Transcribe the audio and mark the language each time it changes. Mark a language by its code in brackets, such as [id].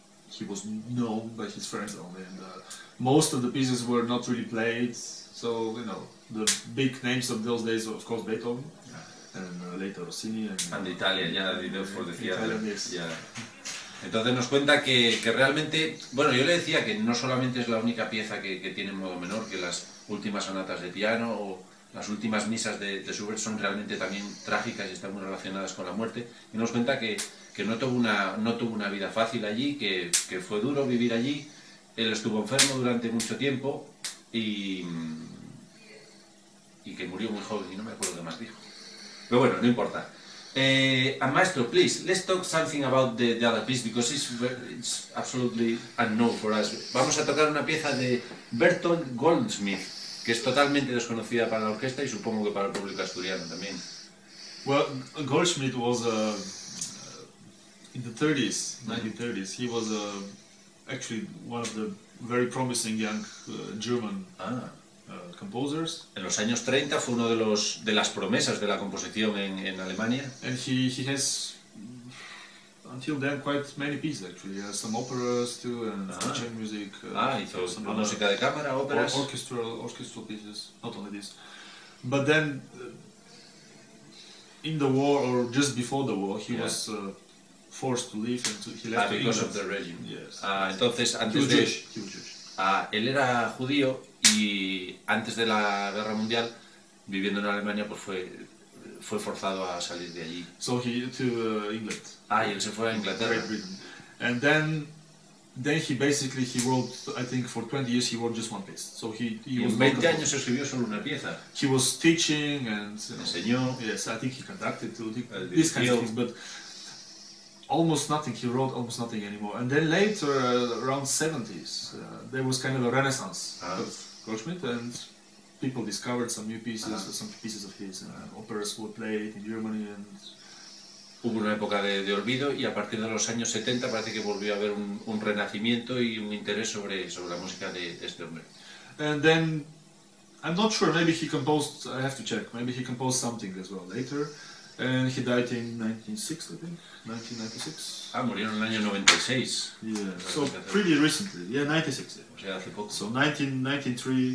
[en] He was known by his friends only, and most of the pieces were not really played. So you know, the big names of those days were of course Beethoven, and later Rossini, and Italia, for the theater. Italian, yes. Yeah. [es] Entonces nos cuenta que realmente, bueno, yo le decía que no solamente es la única pieza que tiene modo menor, que las últimas sonatas de piano o las últimas misas de Schubert son realmente también trágicas y están muy relacionadas con la muerte. Y nos cuenta que no tuvo una vida fácil allí, que fue duro vivir allí. Él estuvo enfermo durante mucho tiempo y que murió muy joven y no me acuerdo qué más dijo. Pero bueno, no importa. [en] Maestro, please, let's talk something about the other piece, because it's absolutely unknown for us. [es] Vamos a tocar una pieza de Bertolt Goldschmidt, que es totalmente desconocida para la orquesta y supongo que para el público asturiano también. [en] Well, Goldschmidt was in the 30s, 1930s, he was actually one of the very promising young German composers. [es] En los años 30 fue uno de las promesas de la composición en Alemania. [en] And he has until then quite many pieces actually. He has some operas too and chamber music. [es] Hizo some música de cámara, óperas. [en] Orchestral pieces, not only this. But then in the war or just before the war, he was forced to leave and he left because Of the regime. Yes. [es] Entonces antes él era judío. Y antes de la Guerra Mundial, viviendo en Alemania, pues fue forzado a salir de allí. [en] So he to England. [es] Y él se fue a Inglaterra. [en] And then Then he basically he wrote, I think for 20 years he wrote just one piece. So he [es] was 20 años escribió solo una pieza. [en] He was teaching and [es] enseñó. [en] Yes, I think he conducted too. These kinds of things, but almost nothing. He wrote almost nothing anymore. And then later, around 70s, there was kind of a renaissance of Goldschmidt, and people discovered some new pieces, some pieces of his. Operas were played in Germany and. [es] Hubo una época de olvido y a partir de los años 70 parece que volvió a haber un renacimiento y un interés sobre la música de este hombre. [en] And then, I'm not sure, maybe he composed, I have to check, maybe he composed something as well later. And he died in 1996, I think, 1996. [es] Ah, murió en el año 96. [en] Yeah, so pretty recently, yeah, 96. Yeah. [es] O sea, hace poco. [en] So 1993